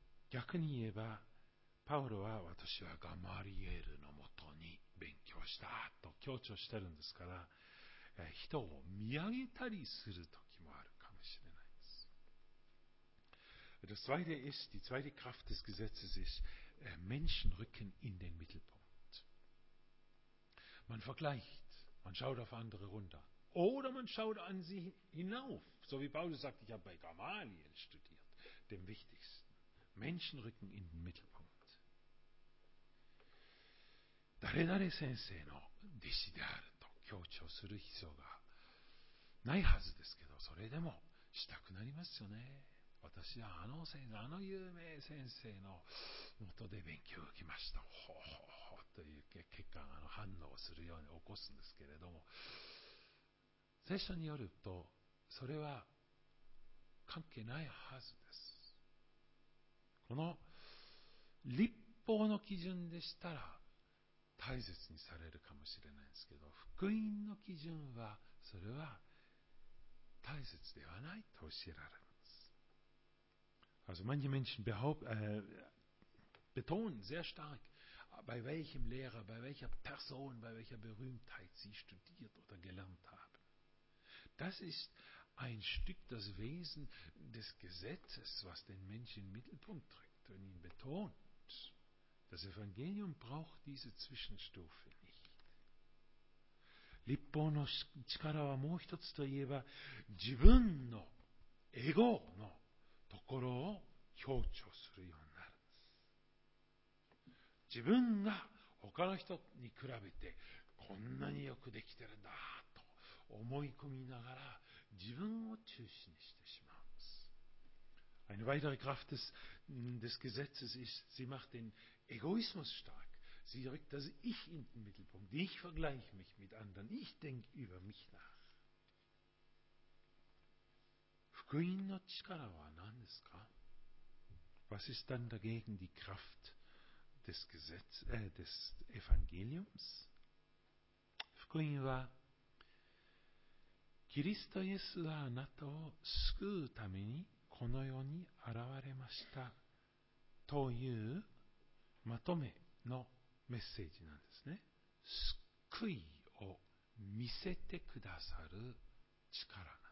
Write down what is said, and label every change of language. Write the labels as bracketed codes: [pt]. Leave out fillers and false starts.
[ja] 逆に言えば、パウロは私はガマリエルのもとに勉強したと強調してるんですから、人を見上げたりする時もあるかもしれないです。 [de] Das zweite ist, die zweite Kraft des Gesetzes ist, Menschen rücken in den Mittelpunkt. Man vergleicht, man schaut auf andere runter. Oder man schaut an sie hinauf. So wie Paulus sagt, ich habe bei Gamaliel studiert, dem Wichtigsten. Menschen rücken in den Mittelpunkt. [ja] 誰々先生の弟子であると強調する必要がないはずですけど、それでもしたくなりますよね。私はあの有名先生の元で勉強を受けました。ほうほうほうという結果が反応をするように起こすんですけれども、聖書によるとそれは関係ないはずです。この律法の基準でしたら大切にされるかもしれないんですけど、福音の基準はそれは大切ではないと教えられる。 [de] Also manche Menschen betonen sehr stark, bei welchem Lehrer, bei welcher Person, bei welcher Berühmtheit sie studiert oder gelernt haben. Das ist ein Stück das Wesen des Gesetzes, was den Menschen in den Mittelpunkt drückt und ihn betont. Das Evangelium braucht diese Zwischenstufe nicht. [ja] 律法の力はもう一つといえば、自分のエゴの心を強調するようになるんです。自分が他の人に比べてこんなによくできてるんだと思い込みながら自分を中心にしてしまうんです。 [de] Eine weitere Kraft des Gesetzes ist, sie macht den Egoismus stark. Sie rückt das Ich in den Mittelpunkt. Ich vergleiche mich mit anderen. Ich denke über mich nach. [ja] 福音の力は何ですか? [de] Was ist dann dagegen die Kraft des Gesetzes, des Evangeliums? [ja] 福音は、キリストイエスはあなたを救うためにこの世に現れましたというまとめのメッセージなんですね。救いを見せてくださる力。